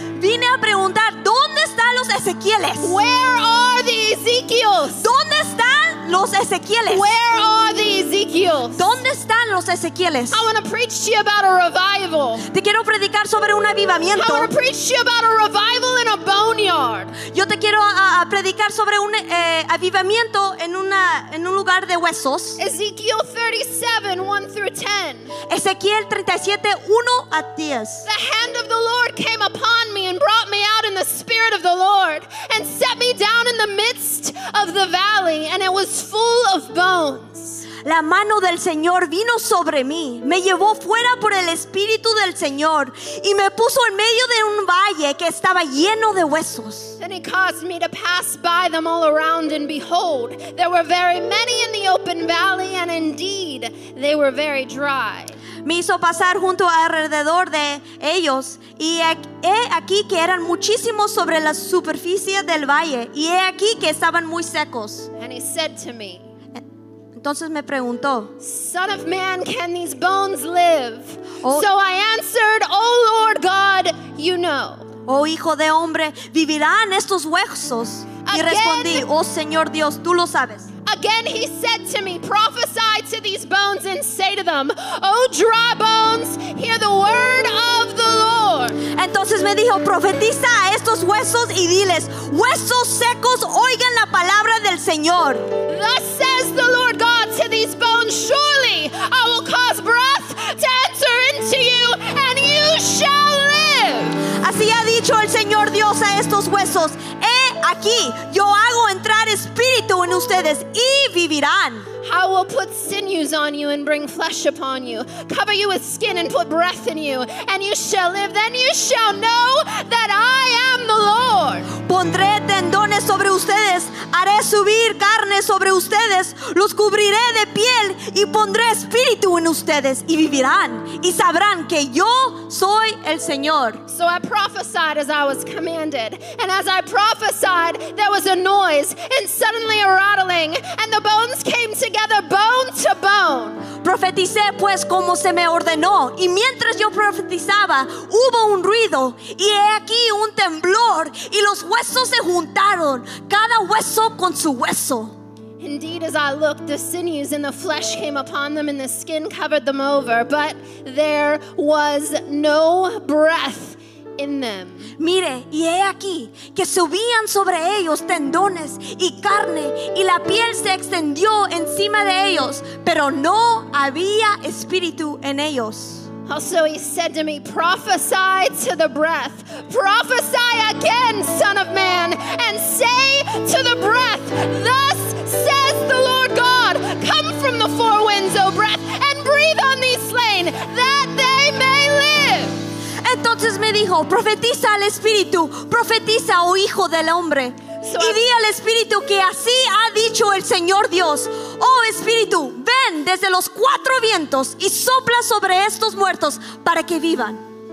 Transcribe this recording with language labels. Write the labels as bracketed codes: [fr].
[es] Vine a preguntar, ¿dónde están los Ezequieles? [en] Where are the Ezekiels? [es] ¿Dónde están los Ezequieles? [en] Where are the Ezekiels? [es] ¿Dónde están los Ezequieles? [en] I want to preach to you about a revival. [es] Te quiero predicar sobre un avivamiento. [en] I want to preach to you about a revival in a boneyard. [es] Yo te quiero predicar sobre un avivamiento en un lugar de huesos. [en] Ezekiel 37, 1 through 10. [es] Ezequiel 37, 1 a 10. [en] The hand of the Lord came upon me and brought me out in the spirit of the Lord and set me down in the midst of the valley, and it was full of bones. [es] La mano del Señor vino sobre mí, me llevó fuera por el Espíritu del Señor y me puso en medio de un valle que estaba lleno de huesos. [en] Then he caused me to pass by them all around, and behold, there were very many in the open valley, and indeed they were very dry. [es] Me hizo pasar junto alrededor de ellos, y he aquí que eran muchísimos sobre la superficie del valle, y he aquí que estaban muy secos. [en] And he said to me, [es] entonces me preguntó, [en] son of man, can these bones live? Oh, so I answered, oh Lord God, you know. [es] Oh hijo de hombre, ¿vivirán estos huesos? [en] Again, [es] y respondí, oh Señor Dios, tú lo sabes. [en] Again he said to me, prophesy to these bones and say to them, oh dry bones, hear the word of the Lord. [es] Entonces me dijo, profetiza a estos huesos y diles, huesos secos, oigan la palabra del Señor. [en] Thus says the Lord God to these bones, surely I will cause breath to enter into you and you shall live. [es] Así ha dicho el Señor Dios a estos huesos, aquí yo hago entrar espíritu en ustedes y vivirán. [en] I will put sinews on you and bring flesh upon you, cover you with skin and put breath in you, and you shall live. Then you shall know that I am the Lord. [es] Pondré tendones sobre ustedes, haré subir carne sobre ustedes, los cubriré de piel y pondré espíritu en ustedes y vivirán y sabrán que yo soy el Señor. [en] So I prophesied as I was commanded, and as I prophesied there was a noise and suddenly a rattling, and the bones came together, bone to bone. [es] Profeticé pues como se me ordenó, y mientras yo profetizaba hubo un ruido, y he aquí un temblor, y los huesos se juntaron, cada hueso con su hueso. [en] Indeed, as I looked, the sinews and the flesh came upon them, and the skin covered them over, but there was no breath in them. [es] Mire, y he aquí que subían sobre ellos tendones y carne, y la piel se extendió encima de ellos, pero no había espíritu en ellos. [en] Also he said to me, prophesy to the breath, prophesy again, son of man, and say to the breath, thus says the Lord God, come from the four winds, O breath, and breathe on these slain, that they may live. [es] Entonces me dijo, profetiza al espíritu, profetiza, oh hijo del hombre. So y di al espíritu que así ha dicho el Señor Dios, oh espíritu, ven desde los cuatro vientos y sopla sobre estos muertos para que vivan.